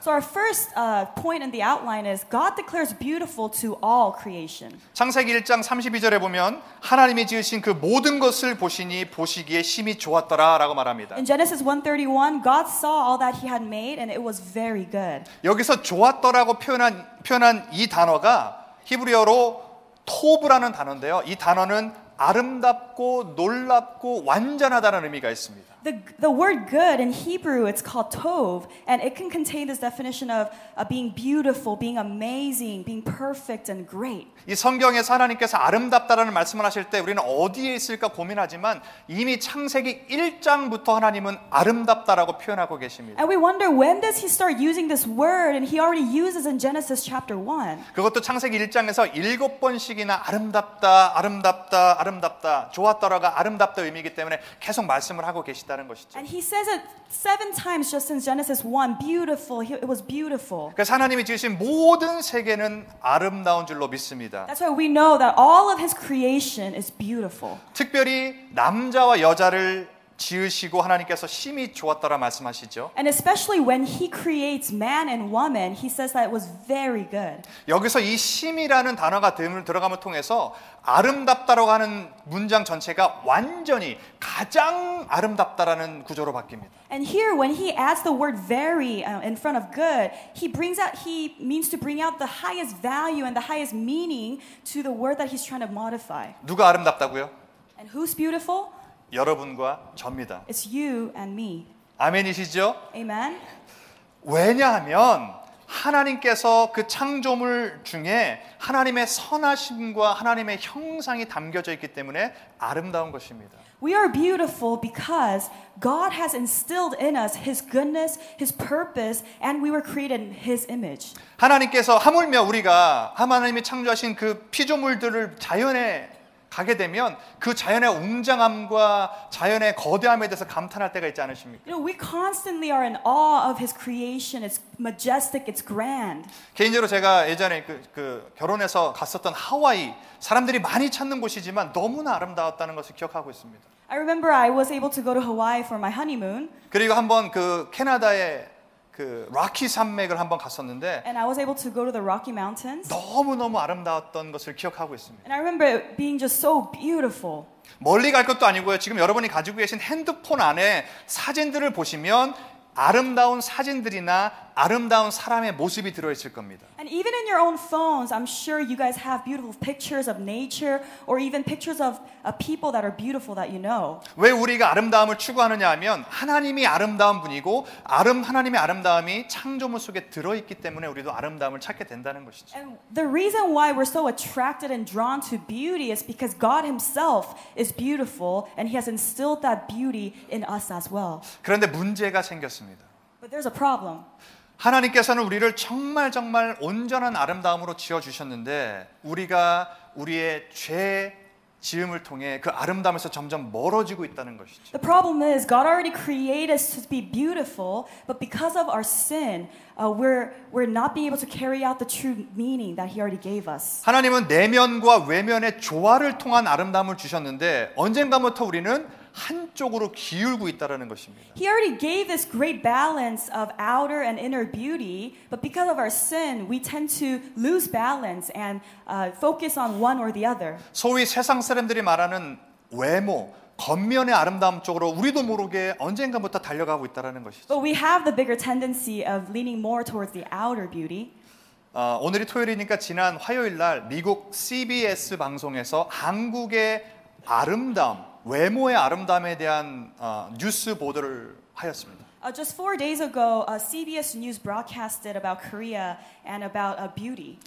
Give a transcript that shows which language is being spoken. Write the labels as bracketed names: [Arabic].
[English] So our first point in the outline is God declares beautiful to all creation. [Korean] 창세기 1장 32절에 보면 하나님이 지으신 그 모든 것을 보시니 보시기에 심히 좋았더라라고 말합니다. [English] In Genesis 1:31, God saw all that he had made and it was very good. [Korean] 여기서 좋았더라고 표현한 이 단어가 히브리어로 토브라는 단어인데요. 이 단어는 아름답고 놀랍고 완전하다는 의미가 있습니다. [English] The word good in Hebrew, it's called tov, and it can contain this definition of being beautiful, being amazing, being perfect and great. [Korean] 이 성경에서 하나님께서 아름답다라는 말씀을 하실 때 우리는 어디에 있을까 고민하지만 이미 창세기 1장부터 하나님은 아름답다라고 표현하고 계십니다. [English] And we wonder when does he start using this word and he already uses in Genesis chapter 1. [Korean] 그것도 창세기 1장에서 일곱 번씩이나 아름답다, 아름답다, 아름답다, 좋았더라가 아름답다 의미이기 때문에 계속 말씀을 하고 계십니다. [English] And he says it seven times just since Genesis 1. Beautiful. It was beautiful. [Korean] 그래서 하나님이 지으신 모든 세계는 아름다운 줄로 믿습니다. [English] That's why we know that all of his creation is beautiful. [Korean] 특별히 남자와 여자를 지으시고 하나님께서 심히 좋았더라 말씀하시죠. [English] And especially when he creates man and woman, he says that it was very good. [Korean] 여기서 이 심이라는 단어가 들어감을 통해서 아름답다라고 하는 문장 전체가 완전히 가장 아름답다라는 구조로 바뀝니다. [English] And here when he adds the word very in front of good, he means to bring out the highest value and the highest meaning to the word that he's trying to modify. [Korean] 누가 아름답다고요? [English] And who's beautiful? [Korean] 여러분과 저입니다. [English] It's you and me. [Korean] 아멘이시죠? [English] Amen. [Korean] 왜냐하면 하나님께서 그 창조물 중에 하나님의 선하심과 하나님의 형상이 담겨져 있기 때문에 아름다운 것입니다. [English] We are beautiful because God has instilled in us His goodness, His purpose, and we were created in His image. [Korean] 하나님께서 하물며 우리가 하나님이 창조하신 그 피조물들을 자연에 가게 되면 그 자연의 웅장함과 자연의 거대함에 대해서 감탄할 때가 있지 않으십니까? [English] You know, we constantly are in awe of His creation. It's majestic. It's grand. [Korean] 개인적으로 제가 예전에 그 결혼해서 갔었던 하와이 사람들이 많이 찾는 곳이지만 너무나 아름다웠다는 것을 기억하고 있습니다. [English] I remember I was able to go to Hawaii for my honeymoon. [Korean] 그리고 한번 그 캐나다에 그 로키 산맥을 한번 갔었는데 [English] And I was able to go to the Rocky Mountains. [Korean] 너무너무 아름다웠던 것을 기억하고 있습니다. [English] And I remember it being just so beautiful. [Korean] 멀리 갈 것도 아니고요. 지금 여러분이 가지고 계신 핸드폰 안에 사진들을 보시면 아름다운 사진들이나 아름다운 사람의 모습이 들어 있을 겁니다. [English] And even in your own phones, I'm sure you guys have beautiful pictures of nature or even pictures of people that are beautiful that you know. [Korean] 왜 우리가 아름다움을 추구하느냐 하면 하나님이 아름다운 분이고 하나님의 아름다움이 창조물 속에 들어 있기 때문에 우리도 아름다움을 찾게 된다는 것이죠. [English] And the reason why we're so attracted and drawn to beauty is because God himself is beautiful and he has instilled that beauty in us as well. [Korean] 그런데 문제가 생겼습니다. [English] But there's a problem. [Korean] 하나님께서는 우리를 정말 정말 온전한 아름다움으로 지어주셨는데 우리가 우리의 죄 지음을 통해 그 아름다움에서 점점 멀어지고 있다는 것이죠. [English] The problem is God already created us to be beautiful, but because of our sin, we're not being able to carry out the true meaning that He already gave us. [Korean] 하나님은 내면과 외면의 조화를 통한 아름다움을 주셨는데 언젠가부터 우리는 한쪽으로 기울고 있다라는 것입니다. [English] He already gave this great balance of outer and inner beauty, but because of our sin, we tend to lose balance and focus on one or the other. [Korean] 소위 세상 사람들이 말하는 외모, 겉면의 아름다움 쪽으로 우리도 모르게 언젠가부터 달려가고 있다라는 것이죠. [English] But we have the bigger tendency of leaning more towards the outer beauty. [Korean] 오늘이 토요일이니까 지난 화요일 날 미국 CBS 방송에서 한국의 아름다움 외모의 아름다움에 대한 뉴스 보도를 하였습니다. [English] Just 4 days ago, CBS News broadcasted about Korea and about beauty.